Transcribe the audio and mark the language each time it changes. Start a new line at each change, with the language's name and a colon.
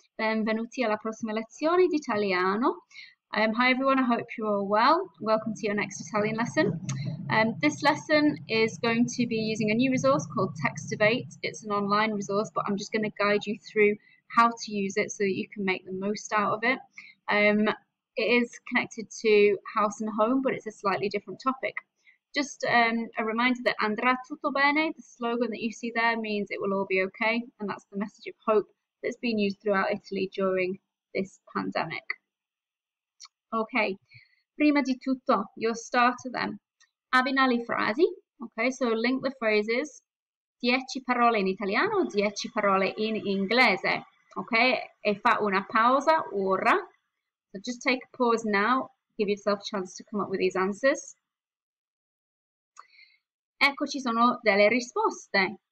Italian: Benvenuti alla prossima lezione di Italiano.
English: Hi everyone, I hope you're all well. Welcome to your next Italian lesson. This lesson is going to be using a new resource called Text Debate. It's an online resource, but I'm just going to guide you through how to use it so that you can make the most out of it. It is connected to house and home, but it's a slightly different topic. Just a reminder that
Italian: andrà tutto bene,
English: the slogan that you see there means it will all be okay, and that's the message of hope that's been used throughout Italy during this pandemic. Okay,
Italian: prima di tutto,
English: your starter then.
Italian: Abbina le frasi,
English: okay, so link the phrases.
Italian: 10 parole in italiano, 10 parole in inglese, okay? E fa una pausa ora.
English: So just take a pause now, give yourself a chance to come up with these answers.
Italian: Eccoci sono delle risposte.